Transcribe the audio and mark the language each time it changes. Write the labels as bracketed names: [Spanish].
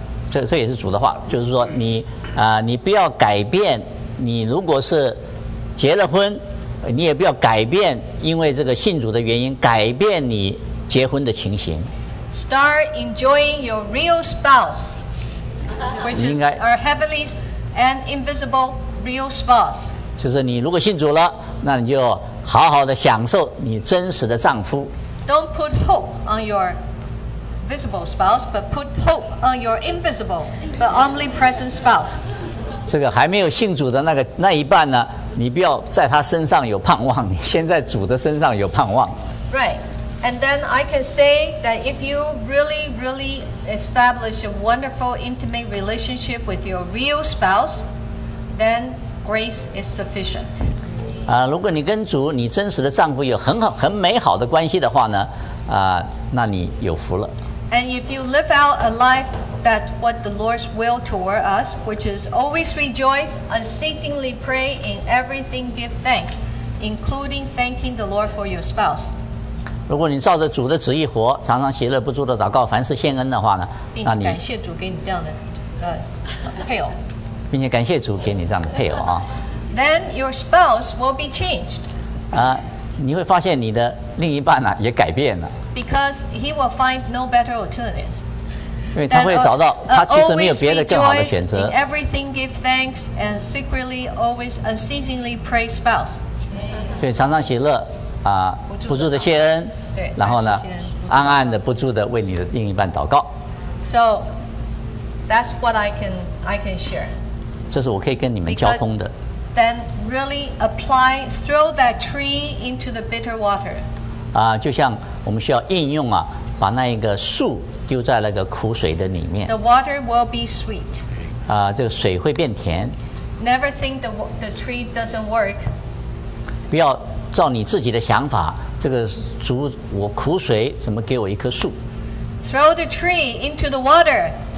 [Chinese] 这也是主的话，就是说你不要改变。你如果是结了婚，你也不要改变，因为这个信主的原因改变你结婚的情形。 [English] Start enjoying your real spouse, which is our heavenly and invisible real spouse. [Chinese] 就是你如果信主了，那你就好好的享受你真实的丈夫。 [English] Don't put hope on your visible spouse, but put hope on your invisible but omnipresent spouse. [Chinese] 这个还没有信主的那一半呢，你不要在他身上有盼望，你先在主的身上有盼望。 [English] Right. And then I can say that if you really, really establish a wonderful intimate relationship with your real spouse, then grace is sufficient. [Chinese] 如果你跟主、你真实的丈夫有很好、很美好的关系的话呢，那你有福了。 [English] And if you live out a life that what the Lord's will toward us, which is always rejoice, unceasingly pray, in everything give thanks, including thanking the Lord for your spouse. [Chinese] 如果你照着主的旨意活，常常喜乐不住的祷告，凡事献恩的话呢，那你并且感谢主给你这样的配偶，并且感谢主给你这样的配偶啊。 [English] Then your spouse will be changed. [Chinese] 你会发现你的另一半呢、啊、也改变了。 [English] Because he will find no better alternatives. [Chinese] 因为他会找到他其实没有别的更好的选择。 [English] In everything give thanks and secretly always unceasingly pray spouse. [Chinese] 对，常常喜乐。不住的谢恩，对，然后呢，暗暗的不住的为你的另一半祷告。 [English] So that's what I can share. [Chinese] 这是我可以跟你们交通的。 [English] Because、then really apply, throw that tree into the bitter water. [Chinese] 就像我们需要应用啊，把那一个树丢在那个苦水的里面。 [English] The water will be sweet. [Chinese] 这个水会变甜。 [English] Never think the tree doesn't work. [Chinese] 不要。照你自己的想法，这个主我苦水怎么给我一棵树 [English] ？Throw the tree into the water.